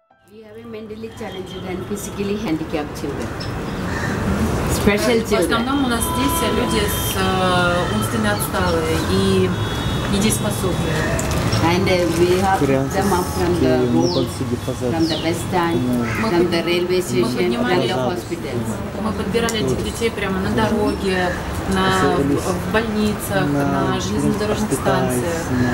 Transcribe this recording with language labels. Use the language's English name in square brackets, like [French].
[English] We have a mentally challenged and physically handicapped children. Special children. [Russian] В основном у нас здесь люди с умственно отсталые и недееспособные. [English] And we have them up from the road, from the bus stand, from the railway station, from the hospitals. [Russian] Мы подбирали этих детей прямо на дороге, в больницах, на железнодорожных станциях.